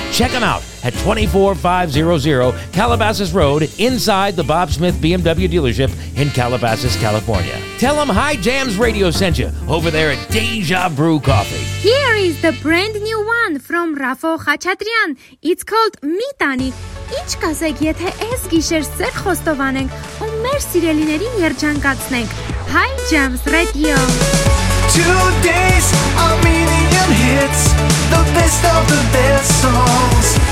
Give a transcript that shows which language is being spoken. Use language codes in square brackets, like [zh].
[en] Check them out at 24500 Calabasas Road inside the Bob Smith BMW dealership in Calabasas, California. Tell them High Jams Radio sent you over there at Deja Brew Coffee. Here is the brand new one from Rafał Khachatryan. It's called Mitani. [hy] Ինչ կասեք, եթե այս գիշեր սեր խոստովանենք ու մեր սիրելիներին երջանկացնենք High Jams Radio. [en] Today's Armenian hits, the best of the best songs.